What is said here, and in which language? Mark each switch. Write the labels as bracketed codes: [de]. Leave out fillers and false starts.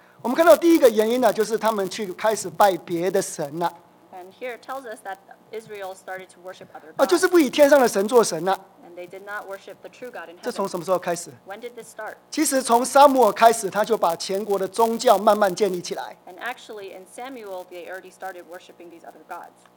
[zh] 我们看到第一个原因呢，就是他们去开始拜别的神了。And [en] here it tells us that Israel started to worship other gods. [zh] 就是不以天上的神做神了。And [en] they did not worship the true God in heaven. [zh] 这从什么时候开始？When [en] did this start? [zh] 其实从撒母耳开始，他就把全国的宗教慢慢建立起来。And [en] actually, in Samuel, they already started worshiping these other gods.